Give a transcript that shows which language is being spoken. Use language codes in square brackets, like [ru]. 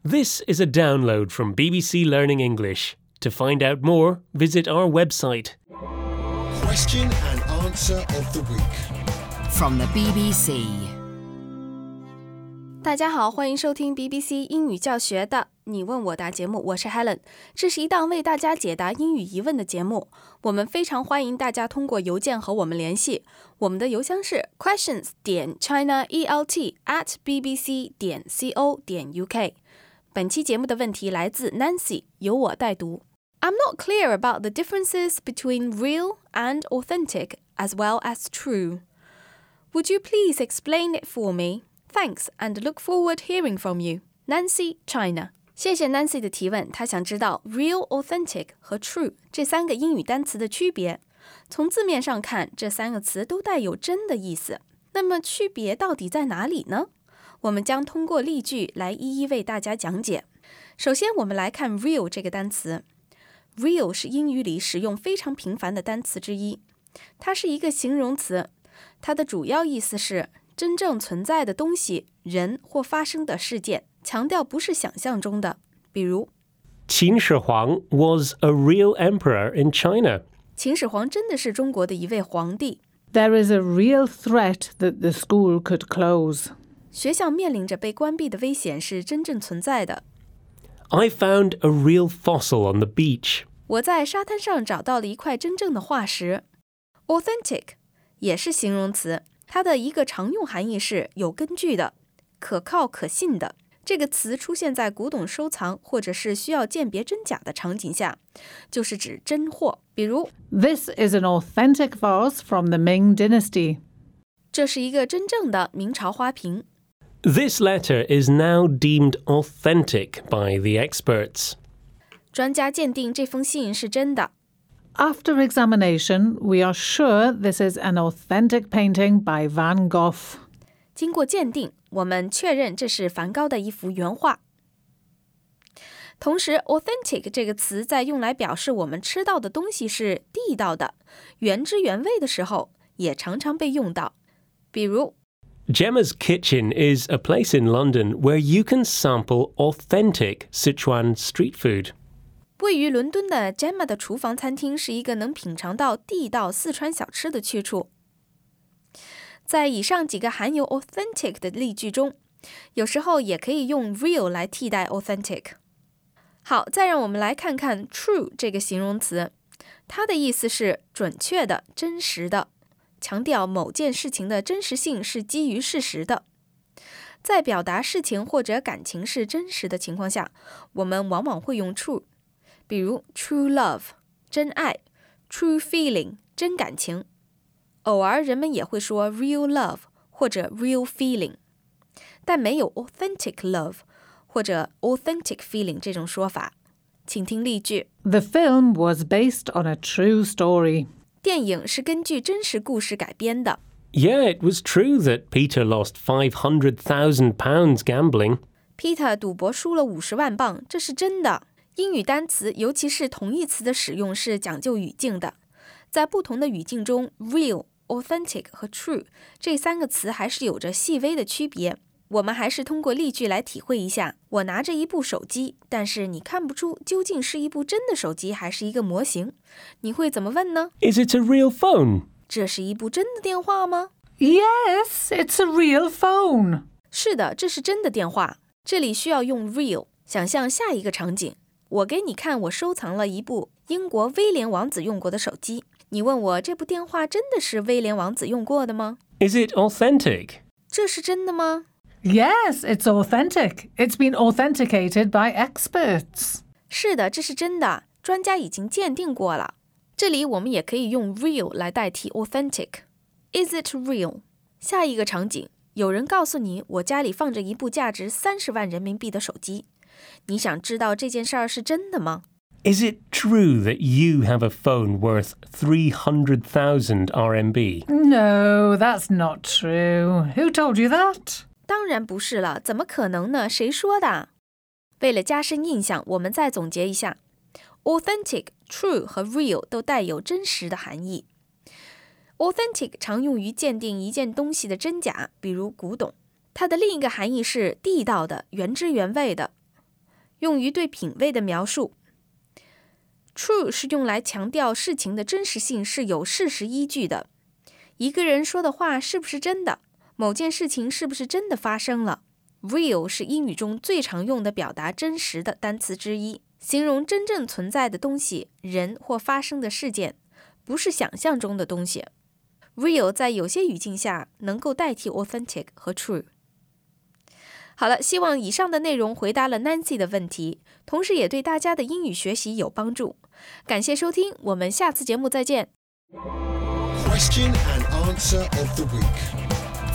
[en] This is a download from BBC Learning English. To find out more, visit our website. Question and answer of the week from the BBC. [zh] 大家好，欢迎收听 BBC 英语教学的你问我答节目，我是 Helen。这是一档为大家解答英语疑问的节目，我们非常欢迎大家通过邮件和我们联系。我们的邮箱是 questions.chinaelt@bbc.co.uk。本期节目的问题来自 Nancy， 由我代读。 [en] I'm not clear about the differences between real and authentic as well as true. Would you please explain it for me? Thanks and look forward hearing from you. Nancy, China. [zh] 谢谢 Nancy 的提问，她想知道 real, authentic 和 true 这三个英语单词的区别。从字面上看，这三个词都带有真的意思。那么区别到底在哪里呢？我们将通过例句来一一为大家讲解。首先我们来看 real 这个单词。Real 是英语里使用非常频繁的单词之一，它是一个形容词，它的主要意思是真正存在的东西、人或发生的事件，强调不是想象中的。比如， [en] 秦始皇 was a real emperor in China. [zh] 秦始皇真的是中国的一位皇帝。 [en] There is a real threat that the school could close. [zh] 学校面临着被关闭的危险是真正存在的。 [en] I found a real fossil on the beach. [zh] 我在沙滩上找到了一块真正的化石。Authentic 也是形容词，它的一个常用含义是有根据的、可靠可信的。这个词出现在古董收藏或者是需要鉴别真假的场景下，就是指真货。比如 [en] This is an authentic vase from the Ming Dynasty. [zh] 这是一个真正的明朝花瓶。 [en] This letter is now deemed authentic by the experts. [zh] 专家鉴定这封信是真的。 [en] After examination, we are sure this is an authentic painting by Van Gogh. [zh] 经过鉴定，我们确认这是梵高的一幅原画。同时 ,authentic 这个词在用来表示我们吃到的东西是地道的、原汁原味的时候也常常被用到。比如 [en] Gemma's Kitchen is a place in London where you can sample authentic Sichuan street food. [zh] 位于伦敦的 Gemma 的厨房餐厅是一个能品尝到地道四川小吃的去处。在以上几个含有 authentic 的例句中，有时候也可以用 real 来替代 authentic。好，再让我们来看看 true 这个形容词，它的意思是准确的、真实的。强调某件事情的真实性是基于事实的。在表达事情或者感情是真实的情况下，我们往往会用 true， 比如 true love， 真爱， true feeling， 真感情。偶尔人们也会说 real love 或者 real feeling， 但没有 authentic love 或者 authentic feeling 这种说法。请听例句。 [en] The film was based on a true story. [zh] 电影是根据真实故事改编的。 [en] Yeah, it was true that Peter lost £500,000 gambling. [zh] Peter 赌博输了£500,000，这是真的。英语单词，尤其是同义词的使用是讲究语境的。在不同的语境中 ，real、authentic 和 true 这三个词还是有着细微的区别。我们还是通过例句来体会一下。我拿着一部手机，但是你看不出究竟是一部真的手机还是一个模型。你会怎么问呢 [en] ？Is it a real phone? [zh] 这是一部真的电话吗 [en] ？Yes, it's a real phone. [zh] 是的，这是真的电话。这里需要用 real。想象下一个场景，我给你看我收藏了一部英国威廉王子用过的手机。你问我这部电话真的是威廉王子用过的吗 [en] ？Is it authentic? [zh] 这是真的吗？ [en] Yes, it's authentic. It's been authenticated by experts. [zh] 是的，这是真的，专家已经鉴定过了。这里我们也可以用 real 来代替 authentic. [en] Is it real? [zh] 下一个场景，有人告诉你我家里放着一部价值30万人民币的手机。你想知道这件事儿是真的吗？ [en] Is it true that you have a phone worth 300,000 RMB? No, that's not true. Who told you that? [zh] 当然不是了，怎么可能呢？谁说的？为了加深印象，我们再总结一下 ：authentic、true 和 real 都带有真实的含义。 authentic 常用于鉴定一件东西的真假，比如古董。它的另一个含义是地道的、原汁原味的。用于对品味的描述。True 是用来强调事情的真实性是有事实依据的。一个人说的话是不是真的？某件事情是不是真的发生了？ Real 是英语中最常用的表达真实的单词之一，形容真正存在的东西、人或发生的事件，不是想象中的东西。 Real 在有些语境下能够代替 authentic 和 true。好了，希望以上的内容回答了 Nancy 的问题，同时也对大家的英语学习有帮助。感谢收听，我们下次节目再见。 [en] Question and answer of the week